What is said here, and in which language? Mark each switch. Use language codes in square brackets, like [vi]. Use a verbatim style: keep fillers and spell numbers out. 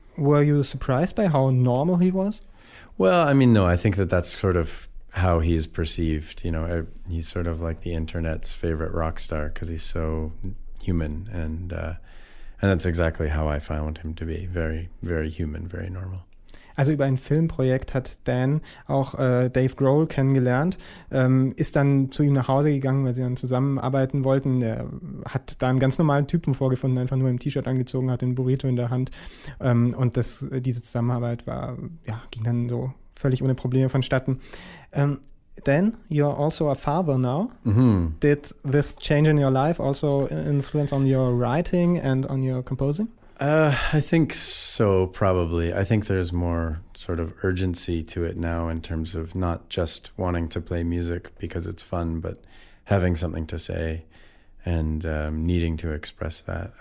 [en] Were you surprised by how normal he was? Well, I mean, no, I think that that's sort of how he's perceived, you know. He's sort of like the internet's favorite rock star because he's so human, and uh, and that's exactly how I found him to be, very, very human, very normal. [de] Also über ein Filmprojekt hat Dan auch äh, Dave Grohl kennengelernt, ähm, ist dann zu ihm nach Hause gegangen, weil sie dann zusammenarbeiten wollten. Er hat da einen ganz normalen Typen vorgefunden, einfach nur im T-Shirt angezogen, hat den Burrito in der Hand, ähm, und das, diese Zusammenarbeit war, ja, ging dann so völlig ohne Probleme vonstatten. [en] Um, Dan, you're also a father now. Mm-hmm. Did this change in your life also influence on your writing and on your composing? Uh, I think so, probably. I think there's more sort of urgency to it now in terms of not just wanting to play music because it's fun, but having something to say and um, needing to express that.